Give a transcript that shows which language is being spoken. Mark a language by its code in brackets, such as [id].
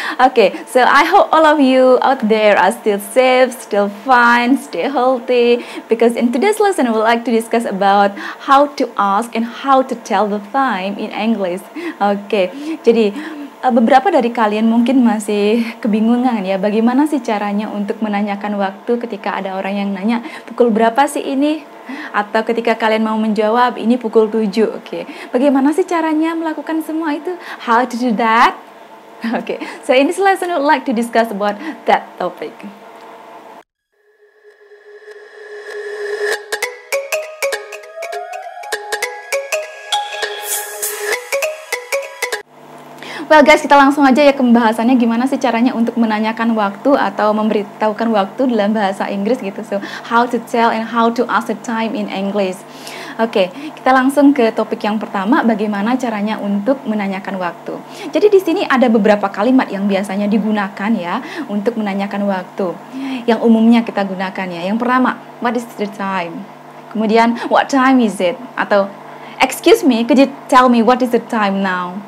[en] Okay, so I hope all of you out there are still safe, still fine, still healthy. Because in today's lesson, we'd like to discuss about how to ask and how to tell the time in English. [id] Okay, jadi beberapa dari kalian mungkin masih kebingungan ya, bagaimana sih caranya untuk menanyakan waktu ketika ada orang yang nanya, pukul berapa sih ini? Atau ketika kalian mau menjawab, ini pukul 7, oke. Bagaimana sih caranya melakukan semua itu? [en] How to do that? Oke, so in this lesson, we'd like to discuss about that topic. Well guys, [id] kita langsung aja ya ke pembahasannya, gimana sih caranya untuk menanyakan waktu atau memberitahukan waktu dalam bahasa Inggris gitu. [en] So, how to tell and how to ask the time in English. [id] Oke, kita langsung ke topik yang pertama, bagaimana caranya untuk menanyakan waktu. Jadi di sini ada beberapa kalimat yang biasanya digunakan ya untuk menanyakan waktu. Yang umumnya kita gunakan ya. Yang pertama, [en] what is the time? [id] Kemudian, [en] what time is it? Atau excuse me, could you tell me what is the time now?